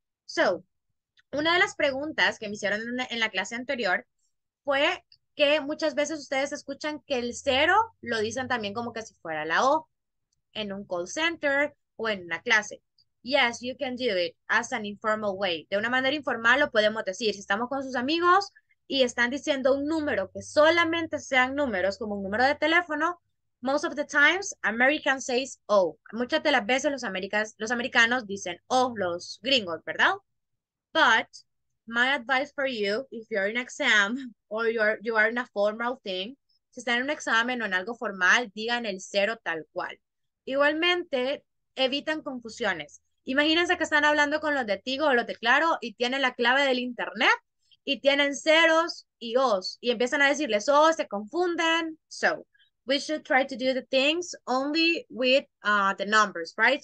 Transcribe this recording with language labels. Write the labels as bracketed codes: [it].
[es] So, una de las preguntas que me hicieron en la clase anterior fue que muchas veces ustedes escuchan que el cero lo dicen también como que si fuera la O en un call center o en una clase. [en] Yes, you can do it as an informal way. [es] De una manera informal lo podemos decir. Si estamos con sus amigos y están diciendo un número que solamente sean números, como un número de teléfono, [en] most of the times, American says O. [es] Muchas de las veces los americanos dicen O, los gringos, ¿verdad? [en] But my advice for you, if you're in exam or you are in a formal thing, [es] si están en un examen o en algo formal, digan el cero tal cual. Igualmente, evitan confusiones. Imagínense que están hablando con los de Tigo o los de Claro y tienen la clave del internet y tienen ceros y os y empiezan a decirles os, se confunden. [en] So, we should try to do the things only with the numbers, right?